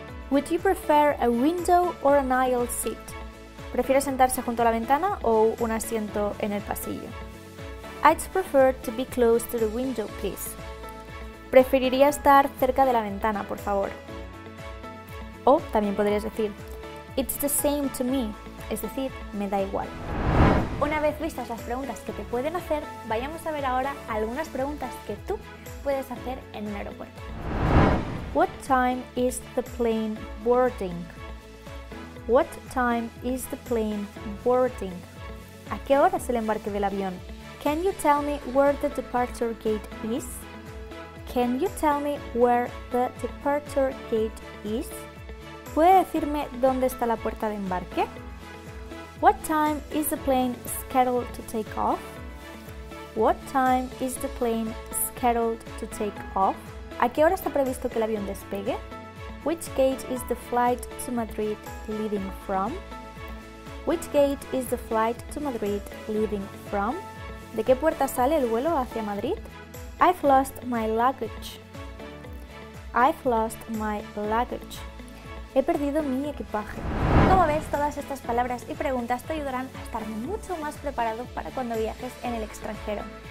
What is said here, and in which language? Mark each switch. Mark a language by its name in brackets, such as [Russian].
[English] Would you prefer a window or an aisle seat? [Spanish] ¿Prefieres sentarse junto a la ventana o un asiento en el pasillo? [English] I'd prefer to be close to the window, please. [Spanish] Preferiría estar cerca de la ventana, por favor. O también podrías decir, [English] it's the same to me, [Spanish] es decir, me da igual. Una vez vistas las preguntas que te pueden hacer, vayamos a ver ahora algunas preguntas que tú puedes hacer en un aeropuerto. [English] What time is the plane boarding? What time is the plane boarding? [Spanish] ¿A qué hora es el embarque del avión? [English] Can you tell me where the departure gate is? Can you tell me where the departure gate is? [Spanish] ¿Puede decirme dónde está la puerta de embarque? [English] What time is the plane scheduled to take off? What time is the plane scheduled to take off? [Spanish] ¿A qué hora está previsto que el avión despegue? [English] Which gate is the flight to Madrid leaving from? Which gate is the flight to Madrid leaving from? [Spanish] ¿De qué puerta sale el vuelo hacia Madrid? [English] I've lost my luggage. I've lost my luggage. [Spanish] He perdido mi equipaje. Como ves, todas estas palabras y preguntas te ayudarán a estar mucho más preparado para cuando viajes en el extranjero.